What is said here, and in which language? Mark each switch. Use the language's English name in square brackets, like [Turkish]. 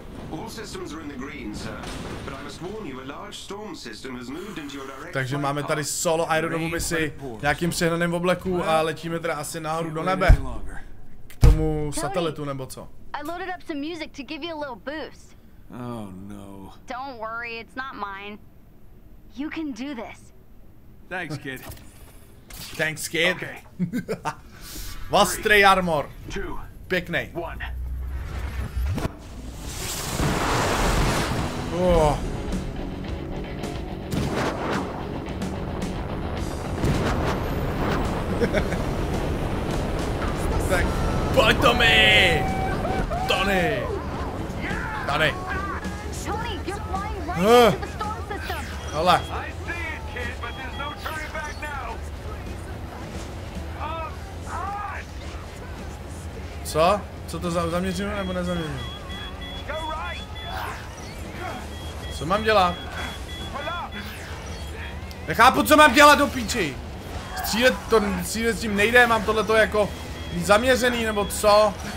[English] All systems are in the green, sir. But I must warn you, a large storm system has moved into your direction. [Czech] Takže máme tady solo Ironovu misi, nějakým přehnaným obleku a letíme teda asi nahoru do nebe. K tomu satelitu nebo co? [English] I loaded up some music to give you a little boost. Oh no. Don't worry, it's not mine. You can do this. Thanks, kid. Thanks, kid. Okay. Vastrej armor. Two. [Czech] Pěkný. [English] One. Oh. [Czech] Tak, pojď to mi! Tony! Tony! [English] Tony, you're flying right into the storm system! Hola. I see it, kid, but there's no turning back now! Oh, [Czech] Co? Co to zaměřujeme nebo nezaměřujeme? Co mám dělat? Nechápu, co mám dělat do píči! Střílet to, střílet s tím nejde, mám tohleto jako zaměřený nebo co?